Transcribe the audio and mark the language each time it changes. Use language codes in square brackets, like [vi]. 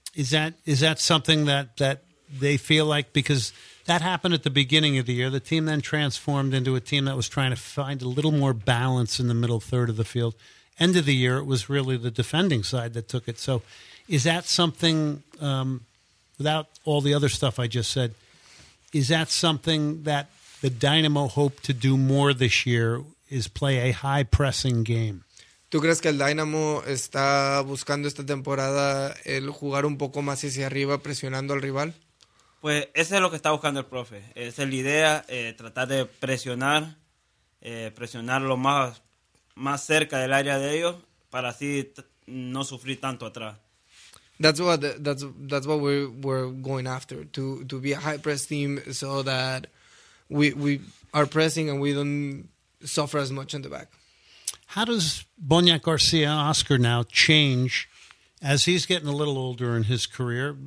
[en] Is that something that they feel like, because that happened at the beginning of the year, the team then transformed into a team that was trying to find a little more balance in the middle third of the field. End of the year, it was really the defending side that took it. So is that something, without all the other stuff I just said, is that something that the Dynamo hope to do more this year, is play a high-pressing game? [es] ¿Tú crees que el Dynamo está buscando esta temporada el jugar un poco más hacia arriba, presionando al rival? Pues eso es lo que está buscando el profe. Esa es la idea, tratar de presionar, presionarlo más cerca del área de ellos para así no sufrir tanto atrás. [en] That's what we're going after, to be a high press team, so that we are pressing and we don't suffer as much in the back. How does Bonya Garcia Oscar now change as he's getting a little older in his career?